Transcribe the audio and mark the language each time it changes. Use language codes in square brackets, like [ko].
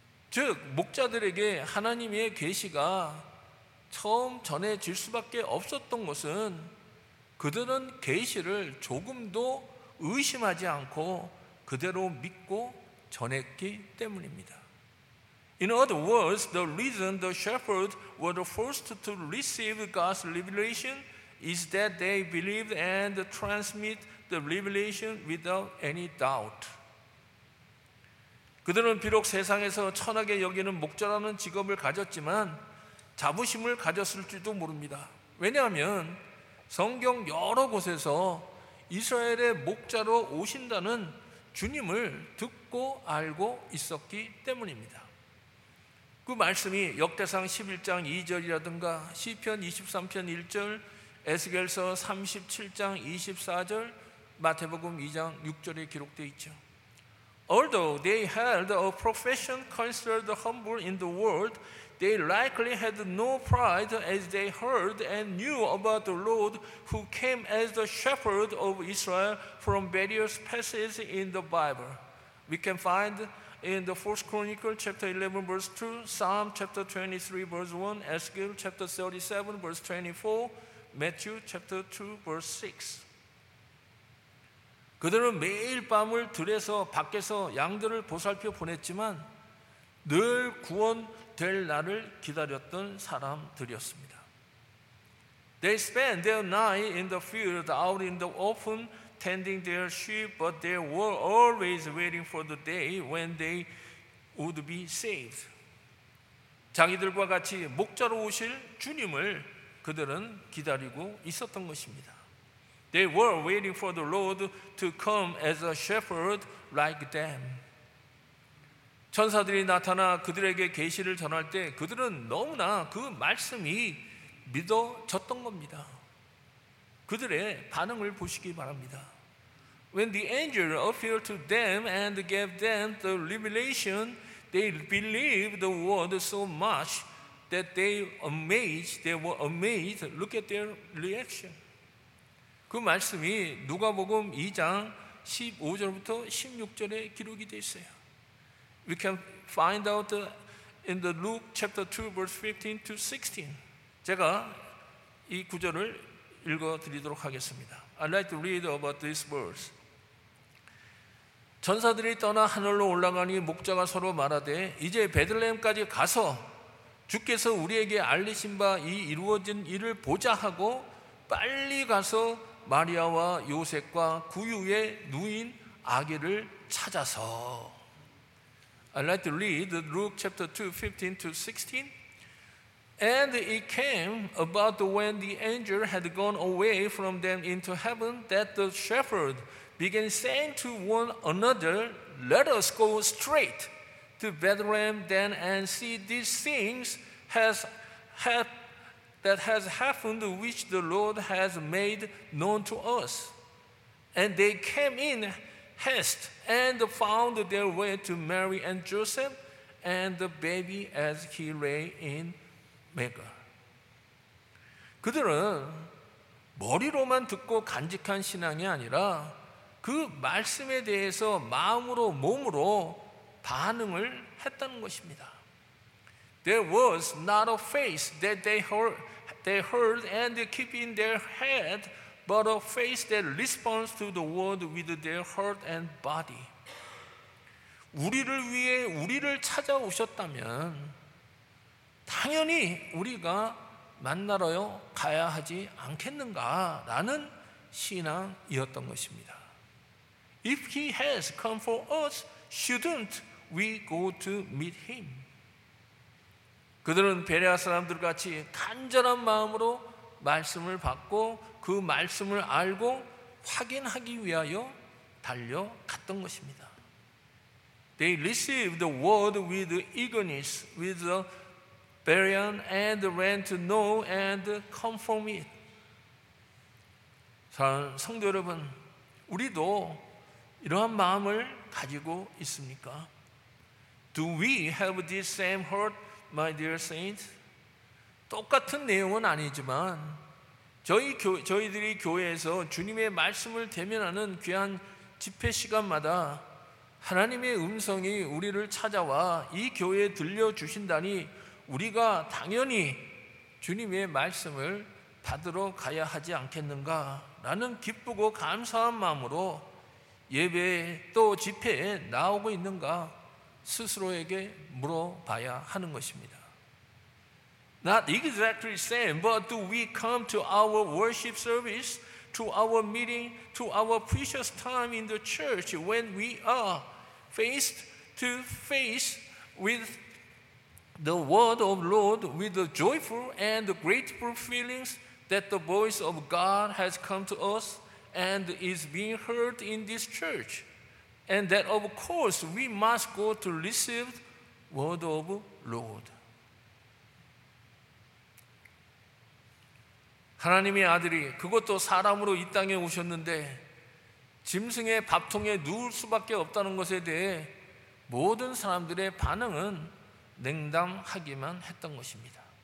[ko] 즉, 목자들에게 하나님의 계시가 처음 전해질 수밖에 없었던 것은 그들은 계시를 조금도 의심하지 않고 그대로 믿고 전했기 때문입니다. [en] In other words, the reason the shepherds were the first to receive God's revelation is that they believed and transmit the revelation without any doubt. [ko] 그들은 비록 세상에서 천하게 여기는 목자라는 직업을 가졌지만 자부심을 가졌을지도 모릅니다. 왜냐하면 성경 여러 곳에서 이스라엘의 목자로 오신다는 주님을 듣고 알고 있었기 때문입니다. 그 말씀이 역대상 11장 2절이라든가 시편 23편 1절, 에스겔서 37장 24절, 마태복음 2장 6절에 기록되어 있죠. [en] Although they held a profession considered humble in the world, they likely had no pride as they heard and knew about the Lord who came as the shepherd of Israel from various passages in the Bible. We can find in the 1 Chronicles chapter 11 verse 2, Psalm chapter 23 verse 1, Ezekiel chapter 37 verse 24, Matthew chapter 2 verse 6. [ko] 그들은 매일 밤을 들여서 밖에서 양들을 보살펴 보냈지만 늘 구원될 날을 기다렸던 사람들이었습니다. [en] They spent their night in the field, out in the open, tending their sheep, but they were always waiting for the day when they would be saved. [ko] 자기들과 같이 목자로 오실 주님을 그들은 기다리고 있었던 것입니다. [en] They were waiting for the Lord to come as a shepherd like them. [ko] 천사들이 나타나 그들에게 계시를 전할 때 그들은 너무나 그 말씀이 믿어졌던 겁니다. 그들의 반응을 보시기 바랍니다. [en] When the angel appeared to them and gave them the revelation, they believed the word so much that they were amazed. Look at their reaction. [ko] 그 말씀이 누가복음 2장 15절부터 16절에 기록이 되어 있어요. [en] We can find out in the Luke chapter 2 verse 15 to 16. [ko] 제가 이 구절을 읽어 드리도록 하겠습니다. [en] I'd like to read about this verse. [ko] 전사들이 떠나 하늘로 올라가니 목자가 서로 말하되 이제 베들레헴까지 가서 주께서 우리에게 알리신 바 이 이루어진 일을 보자 하고 빨리 가서 마리아와 요셉과 구유에 누인 아기를 찾아서. [en] I'd like to read Luke chapter 2, 15 to 16. And it came about when the angel had gone away from them into heaven that the shepherd began saying to one another, Let us go straight to Bethlehem then and see these things that has happened which the Lord has made known to us. And they came in haste and found their way to Mary and Joseph and the baby as he lay in Mega. [ko] 그들은 머리로만 듣고 간직한 신앙이 아니라 그 말씀에 대해서 마음으로 몸으로 반응을 했다는 것입니다. [en] There was not a face that they heard and keep in their head, but a face that responds to the word with their heart and body. [ko] 우리를 위해 우리를 찾아오셨다면 당연히 우리가 만나러 가야 하지 않겠는가라는 신앙이었던 것입니다. [en] If he has come for us, shouldn't we go to meet him? [ko] 그들은 베레아 사람들 같이 간절한 마음으로 말씀을 받고 그 말씀을 알고 확인하기 위하여 달려갔던 것입니다. [en] They received the word with eagerness, with the Berean and ran to know and confirm it. [ko] 성도 여러분, 우리도 이러한 마음을 가지고 있습니까? [en] Do we have this same heart, my dear saints? [ko] 똑같은 내용은 아니지만 저희들이 교회에서 주님의 말씀을 대면하는 귀한 집회 시간마다 하나님의 음성이 우리를 찾아와 이 교회에 들려주신다니 우리가 당연히 주님의 말씀을 받으러 가야 하지 않겠는가라는 기쁘고 감사한 마음으로 예배 또 집회에 나오고 있는가 스스로에게 물어봐야 하는 것입니다. [en] Not exactly the same, but do we come to our worship service, to our meeting, to our precious time in the church when we are faced to face with the word of Lord with the joyful and grateful feelings that the voice of God has come to us and is being heard in this church and that of course we must go to receive the word of Lord. [ko] 하나님의 아들이 그것도 사람으로 이 땅에 오셨는데 짐승의 밥통에 누울 수밖에 없다는 것에 대해 모든 사람들의 반응은 냉담하기만 했던 것입니다.